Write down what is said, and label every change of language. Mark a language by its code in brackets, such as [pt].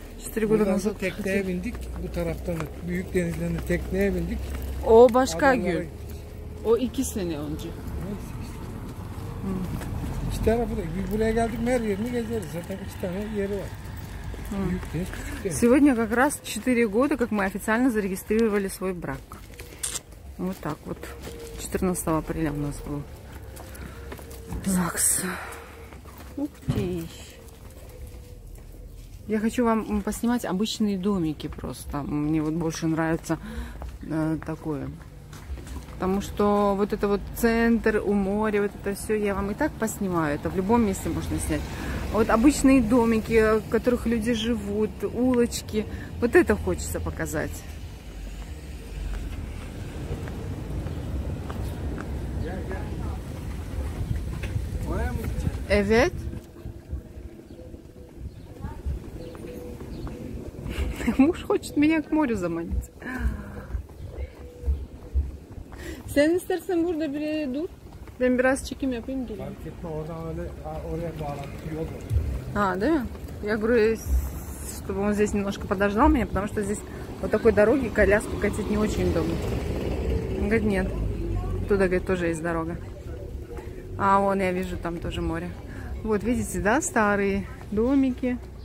[tr] Çitri gudu nasıl? Burada tekneye bindik. Bu taraftan büyük denizlerinde tekneye bindik. O başka gün. O iki sene önce. İki tarafı da. Buraya geldik mi her yerini gezeriz. Zaten iki tane yeri var. Büyük deniz, küçük deniz. [ru] Сегодня как раз 4 года, как мы официально зарегистрировали свой брак. Вот так вот. 14 апреля у нас был ЗАГС. Ух ты. Я хочу вам поснимать обычные домики просто. Мне вот больше нравится такое. Потому что вот это вот центр у моря, вот это все я вам и так поснимаю. Это в любом месте можно снять. Вот обычные домики, в которых люди живут, улочки. Вот это хочется показать. [tr] Evet. [ru] Муж хочет меня к морю заманить. [tr] Sen istersen burada bir yere dur. Ben biraz çekim yapayım geleyim. Fark etme, oradan öyle oraya bağlantı yol var. Ha, değil mi? [ru] Я говорю, чтобы он здесь немножко подождал меня, потому что здесь вот такой дороги коляску катить не очень удобно. Он говорит, нет. Туда, говорит, тоже есть дорога. А вон, я вижу, там тоже море. Вот, видите, да, старые домики.